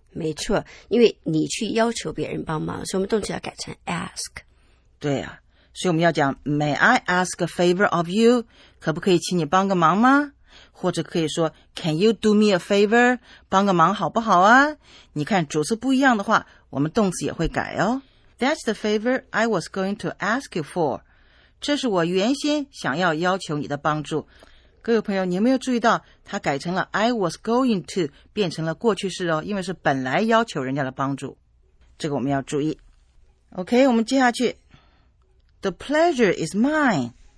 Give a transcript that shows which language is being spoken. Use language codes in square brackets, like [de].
[zh] 没错，因为你去要求别人帮忙，所以我们动词要改成 ask。对啊，所以我们要讲 [en] May I ask a favor of you? [zh] 可不可以请你帮个忙吗？或者可以说 [en] Can you do me a favor? [zh] 帮个忙好不好啊？你看主词不一样的话，我们动词也会改哦。 [en] That's the favor I was going to ask you for. [zh] 这是我原先想要要求你的帮助。各位朋友，你有没有注意到它改成了 [en] I was going to [zh] 变成了过去式哦，因为是本来要求人家的帮助，这个我们要注意。 OK， 我们接下去 [en] The pleasure is mine。